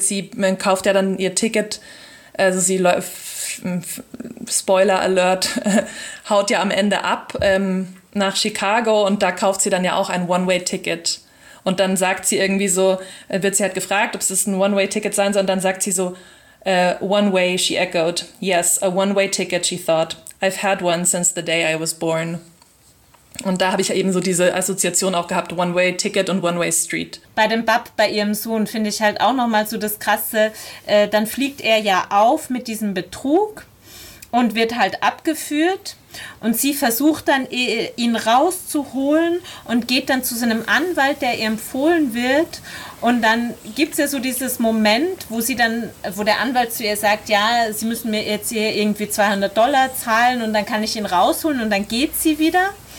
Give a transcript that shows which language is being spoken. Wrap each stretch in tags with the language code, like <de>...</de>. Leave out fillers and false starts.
<de>Sie kauft ja dann ihr Ticket, also sie läuft, Spoiler Alert, haut ja am Ende ab nach Chicago und da kauft sie dann ja auch ein One-Way-Ticket. Und dann sagt sie irgendwie so, wird sie halt gefragt, ob es ein One-Way-Ticket sein soll. Und dann sagt sie so,</de> <en>One-Way, she echoed. Yes, a One-Way-Ticket, she thought. I've had one since the day I was born.</en> <de>Und da habe ich ja eben so diese Assoziation auch gehabt, One-Way-Ticket und One-Way-Street. Bei dem Bub, bei ihrem Sohn, finde ich halt auch nochmal so das Krasse, dann fliegt er ja auf mit diesem Betrug und wird halt abgeführt und sie versucht dann, ihn rauszuholen und geht dann zu so einem Anwalt, der ihr empfohlen wird, und dann gibt es ja so dieses Moment, wo der Anwalt zu ihr sagt, ja, sie müssen mir jetzt hier irgendwie $200 zahlen und dann kann ich ihn rausholen, und dann geht sie wieder.</de>